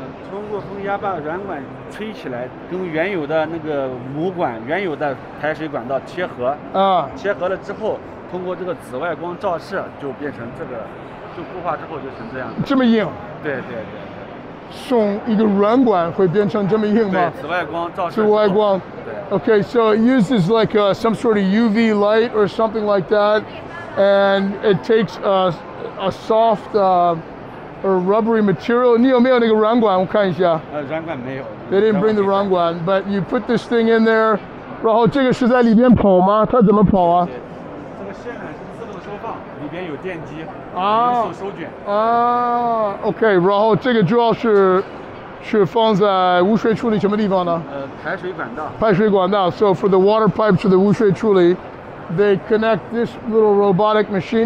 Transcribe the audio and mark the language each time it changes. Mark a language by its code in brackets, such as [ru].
[zh] 通过风压把软管吹起来跟原有的那个母管原有的排水管道切合切合了之后通过这个紫外光照射就变成这个就固化之后就成这么样这么硬对对对送一个软管会变成这么硬吗对紫外光照射紫外光 [en] Okay, so it uses like some sort of UV light or something like that and it takes a soft or rubbery material. [zh] 你有没有那个软管？我看一下。软管没有。 [en] They didn't bring the 软管, but you put this thing in there. [zh] 然后这个是在里边跑吗? 它怎么跑啊? 这个线缆是自动收放,里边有电机,手卷。 OK, 然后这个主要是放在污水处理什么地方呢? 排水管道。排水管道, [en] so for the water pipe to the 污水处理, they connect this little robotic machine.